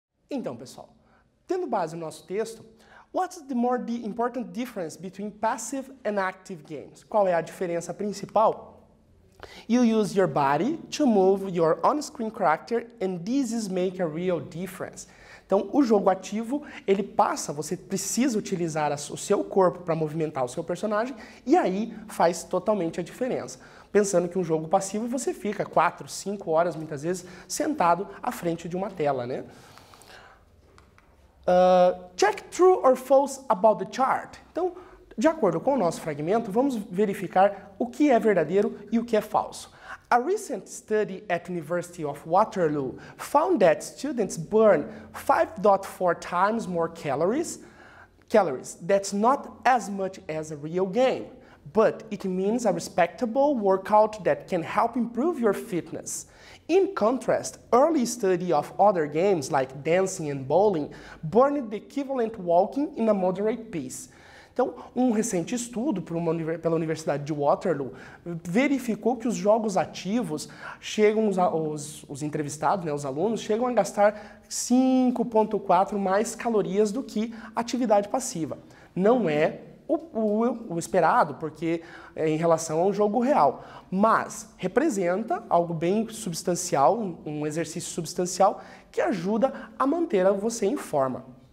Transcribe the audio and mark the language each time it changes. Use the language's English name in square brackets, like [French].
[Portuguese] Então, pessoal, tendo base no nosso texto, [English] what's the more important difference between passive and active games? [Portuguese] Qual é a diferença principal? [English] You use your body to move your on-screen character and this is make a real difference. [Portuguese] Então, o jogo ativo, ele passa, você precisa utilizar o seu corpo para movimentar o seu personagem e aí faz totalmente a diferença. Pensando que um jogo passivo, você fica 4, 5 horas, muitas vezes, sentado à frente de uma tela, né? [English] Check true or false about the chart. [Portuguese] Então, de acordo com o nosso fragmento, vamos verificar o que é verdadeiro e o que é falso. [English] A recent study at University of Waterloo found that students burn 5.4 times more calories. That's not as much as a real game, but it means a respectable workout that can help improve your fitness. In contrast, early study of other games like dancing and bowling burned the equivalent walking in a moderate pace. [Portuguese] Então, um recente estudo pela Universidade de Waterloo verificou que os jogos ativos chegam, os entrevistados, né, os alunos, chegam a gastar 5.4 mais calorias do que atividade passiva. Não é o esperado, porque é em relação a um jogo real, mas representa algo bem substancial, um exercício substancial que ajuda a manter você em forma.